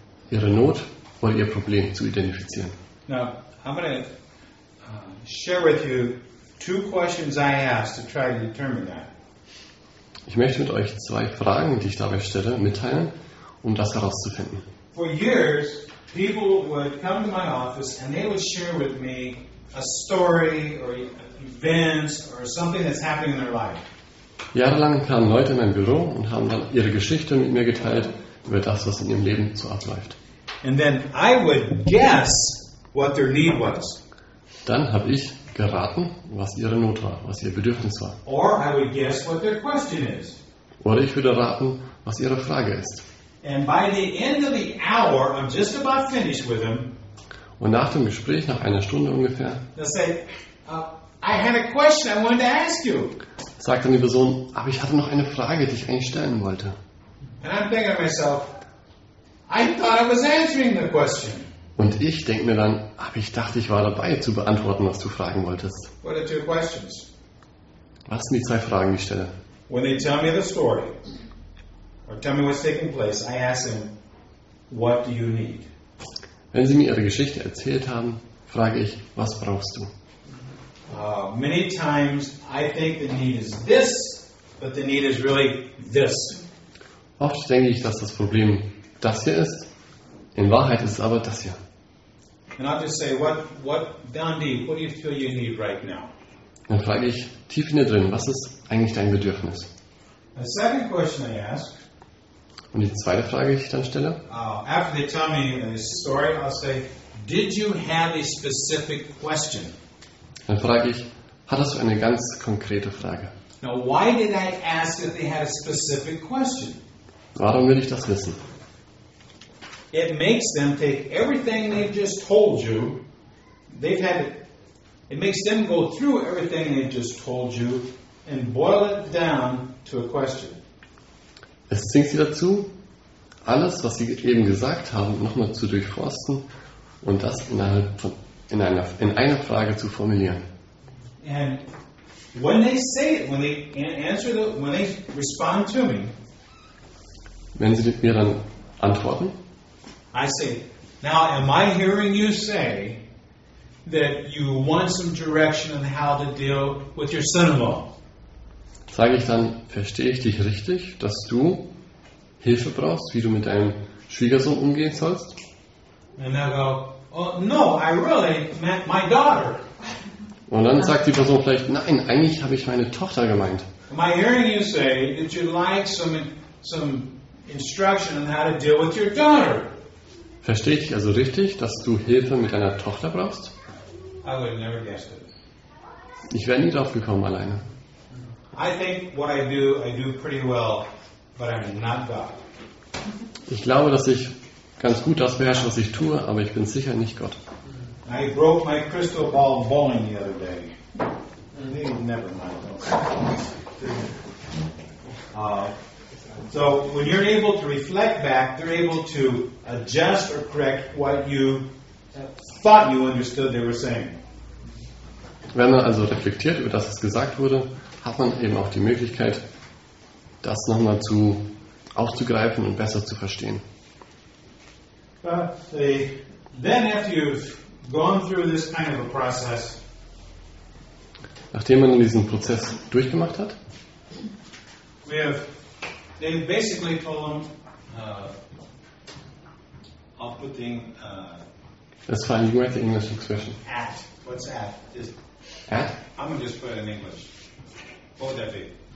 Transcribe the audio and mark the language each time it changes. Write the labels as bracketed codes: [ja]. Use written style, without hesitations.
[de] Ihre Not oder ihr Problem zu identifizieren. [en] Now, I'm going to share with you two questions I asked to try to determine that. [de] Ich möchte mit euch zwei Fragen, die ich dabei stelle, mitteilen, um das herauszufinden. [en] For years, people would come to my office and they would share with me a story or events or something that's happening in their life. [de] Jahrelang kamen Leute in mein Büro und haben dann ihre Geschichte mit mir geteilt über das, was in ihrem Leben so abläuft. [en] And then I would guess what their need was. [de] Dann habe ich geraten, was ihre Not war, was ihr Bedürfnis war. [en] Or I would guess what their question is. [de] Oder ich würde raten, was ihre Frage ist. [en] And by the end of the hour, I'm just about finished with them. [de] Und nach dem Gespräch, nach einer Stunde ungefähr, [en] they'll say, I had a question I wanted to ask you. [de] Sagt dann die Person, aber ich hatte noch eine Frage, die ich eigentlich stellen wollte. [en] And I'm thinking to myself, I thought I was answering the question. [de] Und ich denke mir dann, aber ich dachte, ich war dabei zu beantworten, was du fragen wolltest. [en] What are two questions? [de] Was sind die zwei Fragen, die ich stelle? [en] When they tell me the story, or tell me what's taking place, I ask them, what do you need? [de] Wenn sie mir ihre Geschichte erzählt haben, frage ich, was brauchst du? [en] Many times I think the need is this, but the need is really this. [de] Oft denke ich, dass das Problem das hier ist. In Wahrheit ist es aber das hier. [en] And I'll just say, what down deep, what do you feel you need right now? [de] Dann frage ich tief in dir drin, was ist eigentlich dein Bedürfnis? [en] The second question I ask. [de] Und die zweite Frage, die ich dann stelle. [en] After they tell me the story, I'll say, did you have a specific question? [de] Dann frage ich, hattest du eine ganz konkrete Frage? [en] Now, why did I ask if they had a specific question? [de] Warum will ich das wissen? [en] It makes them take everything they've just told you. It makes them go through everything they've just told you and boil it down to a question. [de] Es zwingt sie dazu, alles, was sie eben gesagt haben, nochmal zu durchforsten und das innerhalb von in einer Frage zu formulieren. [en] And when they say it, when they answer the, when they respond to me, [de] wenn sie mir dann antworten, [en] I say, now am I hearing you say that you want some direction on how to deal with your son-in-law? [de] Sage ich dann, verstehe ich dich richtig, dass du Hilfe brauchst, wie du mit deinem Schwiegersohn umgehen sollst? [en] And they'll go, oh, no, I really meant my daughter. [de] Und dann sagt die Person vielleicht, nein, eigentlich habe ich meine Tochter gemeint. [en] Am I hearing you say that you like some instruction on how to deal with your daughter? [de] Verstehe ich also richtig, dass du Hilfe mit deiner Tochter brauchst? [en] I would never guess it. [de] Ich wäre nie drauf gekommen alleine. [en] I think what I do pretty well, but I'm not God. [de] Ich glaube, dass ich ganz gut das beherrsche, was ich tue, aber ich bin sicher nicht Gott. [en] I broke my crystal ball bowling the other day. Never mind. So when you're able to reflect back, they're able to adjust or correct what you thought you understood they were saying. [de] Wenn man also reflektiert über das, was gesagt wurde, hat man eben auch die Möglichkeit, das nochmal zu aufzugreifen und besser zu verstehen. [en] Then after you've gone through this kind of a process, [de] nachdem man diesen Prozess durchgemacht hat, [en] they basically told them, of putting. That's fine. You can write the English expression. At. What's at? At. I'm gonna just put it in English. What would that be?